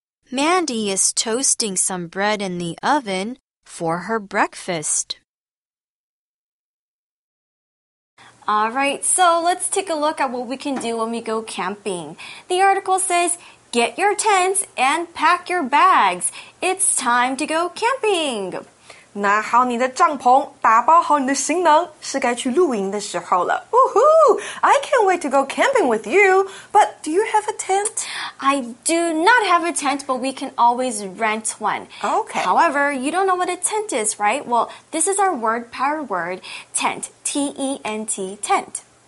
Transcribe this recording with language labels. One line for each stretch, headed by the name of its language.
English: Mandy is toasting some bread in the oven for her breakfast. All right, so let's take a look at what we can do when we go camping. The article says, get your tents and pack your bags. It's time to go camping.
Chinese: 拿好你的帐篷，打包好你的行囊，是该去露营的时候了。
English: Woohoo! I can't wait to go camping with you, but do you have a tent? I do not have a tent, but we can always rent one. Okay. However, you don't know what a tent is, right? Well, this is our word power word, tent, T-E-N-T, tent.